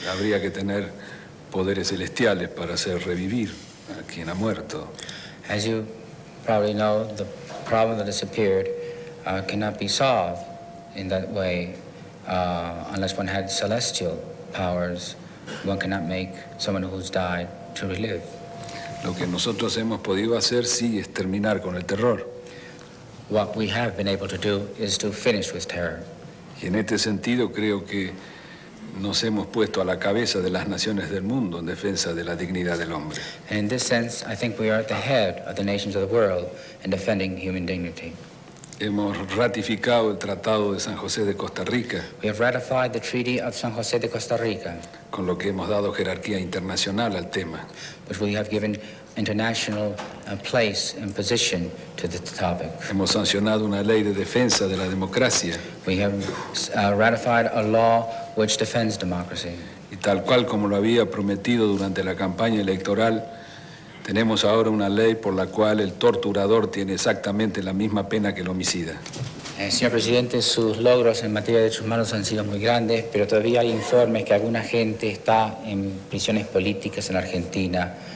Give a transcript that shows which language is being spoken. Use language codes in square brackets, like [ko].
[es] Habría que tener poderes celestiales para hacer revivir a quien ha muerto. [en] As you probably know, the problem that disappeared cannot be solved in that way unless one had celestial powers. One cannot make someone who's died to relive. [es] Lo que nosotros hemos podido hacer, sí, es terminar con el terror. [en] What we have been able to do is to finish with terror. [es] Y en este sentido creo que nos hemos puesto a la cabeza de las naciones del mundo en defensa de la dignidad del hombre. [en] In this sense, I think we are at the head of the nations of the world in defending human dignity. [es] Hemos ratificado el Tratado de San José de Costa Rica. [en] We have ratified the Treaty of San José de Costa Rica. [es] Con lo que hemos dado jerarquía internacional al tema. [en] Which we have given international place and position to the topic. [es] Hemos sancionado una ley de defensa de la democracia. [en] We have ratified a law which defends democracy. [es] y tal cual como lo había prometido durante la campaña electoral, tenemos ahora una ley por la cual el torturador tiene exactamente la misma pena que el homicida. Señor presidente, sus logros en materia de derechos humanos han sido muy grandes, pero todavía hay informes que alguna gente está en prisiones políticas en Argentina.